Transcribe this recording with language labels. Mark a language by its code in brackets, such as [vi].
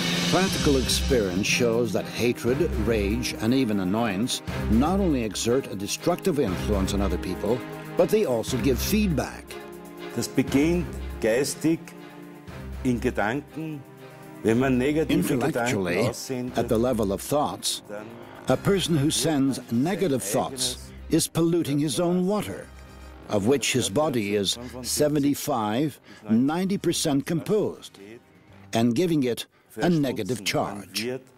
[en] Practical experience shows that hatred, rage, and even annoyance not only exert a destructive influence on other people, but they also give feedback. [de] Das beginnt geistig in Gedanken, wenn man negative Gedanken aussendet. [en] At the level of thoughts, a person who sends negative thoughts is polluting his own water, of which his body is 75-90% composed, and giving it a negative charge.